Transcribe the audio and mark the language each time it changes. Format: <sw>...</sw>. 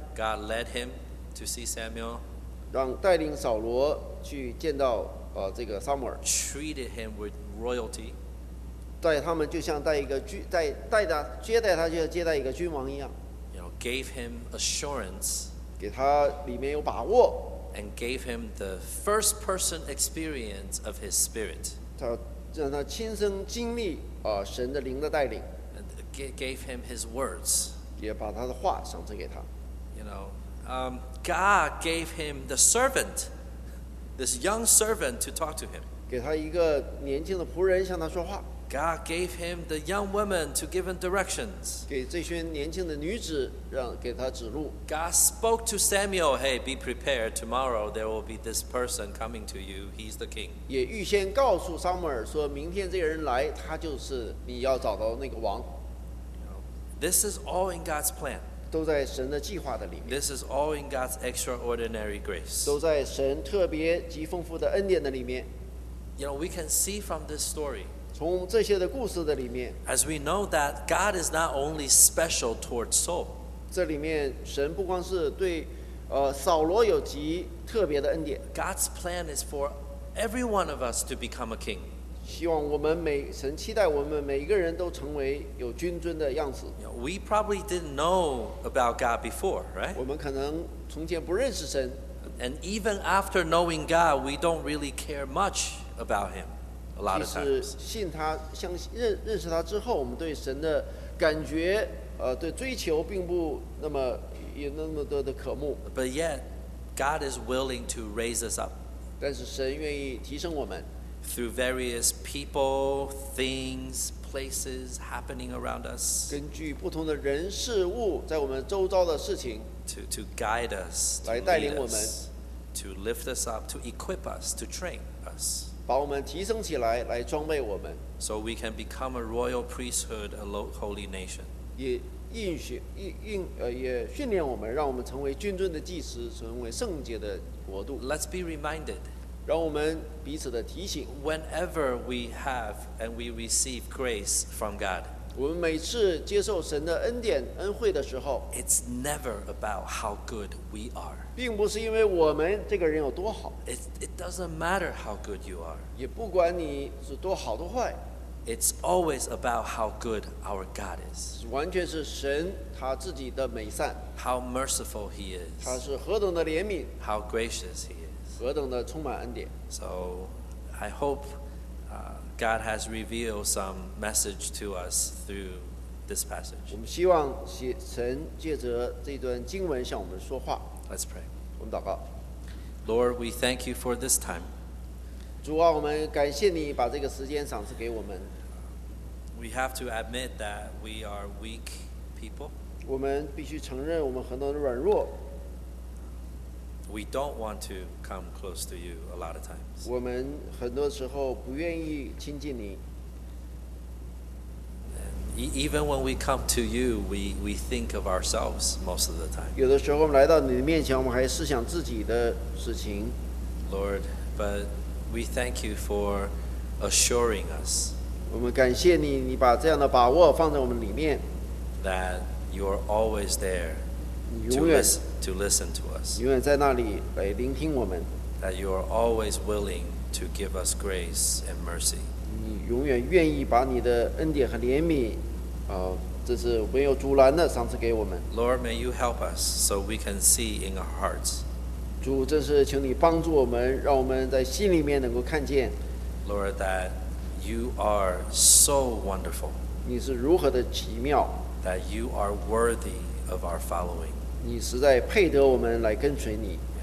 <en>God led him to see Samuel.</en> <zh>让带领扫罗去见到这个撒母耳。</zh> <en>Treated him with royalty.</en> <zh>带他们就像带一个接待他就像接待一个君王一样。</zh> <en>You know, gave him assurance,</en> <zh>给他里面有把握。</zh> <en>And gave him the first person experience of his spirit.</en> <zh>他让他亲身经历神的灵的带领。</zh> <en>And gave him his words.</en> <zh>也把他的话赏赐给他。</zh> <en>You know, God gave him the servant, this young servant to talk to him.</en> <zh>给他一个年轻的仆人向他说话。</zh> <en>God gave him the young woman to give him directions.</en> <zh>给这群年轻的女子让给他指路。</zh> <en>God spoke to Samuel, "Hey, be prepared. Tomorrow there will be this person coming to you. He's the king."</en> <zh>也预先告诉撒母耳说，明天这个人来，他就是你要找到那个王。</zh> <en>This is all in God's plan.</en> <zh>都在神的计划的里面。</zh> <en>This is all in God's extraordinary grace.</en> <zh>都在神特别极丰富的恩典的里面。</zh> <en>You know, we can see from this story.</en> <zh>从这些的故事的里面，</zh> <en>As we know that God is not only special towards Saul.</en> <zh>这里面神不光是对扫罗有极特别的恩典。</zh> <en>God's plan is for every one of us to become a king.</en> <zh>希望我们每神期待我们每一个人都成为有君尊的样子。</zh> <en>You know, we probably didn't know about God before, right?</en> <zh>我们可能从前不认识神。</zh> <en>And even after knowing God, we don't really care much about him a lot of times.</en> <zh>其实信他，认识他之后，我们对神的感觉，对追求并不那么有那么多的渴慕。</zh> <en>But yet, God is willing to raise us up.</en> <zh>但是神愿意提升我们。</zh> <en>Through various people, things, places happening around us.</en> <zh>根据不同的人事物在我们周遭的事情。</zh> <en>To guide us,</en> <zh>来带领我们</zh> <en>to lead us, to lift us up, to equip us, to train us.</en> <zh>把我们提升起来，来装备我们。</zh> <en>So we can become a royal priesthood, a holy nation.</en> <zh>也训练我们，让我们成为君尊的祭司，成为圣洁的国度。</zh> <en>Let's be reminded.</en> <zh>让我们彼此的提醒。</zh> <en>Whenever we have and we receive grace from God.</en> <zh>我们每次接受神的恩典恩惠的时候</zh> <en>It's never about how good we are</en> <zh>并不是因为我们这个人有多好</zh> <en>It doesn't matter how good you are</en> <zh>也不管你是多好多坏</zh> <en>It's always about how good our God is</en> <zh>完全是神他自己的美善</zh> <en>How merciful he is</en> <zh>他是何等的怜悯</zh> <en>How gracious he is</en> <zh>何等的充满恩典</zh> <en>So I hopeGod has revealed some message to us through this passage.</en> <zh>我们希望神借着这段经文向我们说话。</zh> <en>Let's pray.</en> <zh>我们祷告。</zh> <en>Lord, we thank you for this time.</en> <zh>主啊，我们感谢你把这个时间赏赐给我们。</zh> <en>We have to admit that we are weak people.</en> <zh>我们必须承认我们很多人软弱。</zh> <en>We don't want to come close to you a lot of times.</en> <zh>我们很多时候不愿意亲近你。</zh> <en>Even when we come to you, we think of ourselves most of the time.</en> <zh>有的时候我们来到你的面前，我们还思想自己的事情。</zh> <en>Lord, but we thank you for assuring us.</en> <zh>我们感谢你，你把这样的把握放在我们里面。</zh> <en>That you are always there. To listen to us.</en> <zh>永远在那里来聆听我们。</zh> <en>That you are always willing to give us grace and mercy.</en> <zh>你永远愿意把你的恩典和怜悯，这是没有阻拦的赏赐给我们。</zh> <en>Lord, may you help us so we can see in our hearts.</en> <zh>主，这是请你帮助我们，让我们在心里面能够看见。</zh> <en>Lord, that you are so wonderful.</en> <zh>你是如何的奇妙。</zh> <en>That you are worthy. Of our following.</en> <zh>你实在配得我们来跟随你。</zh>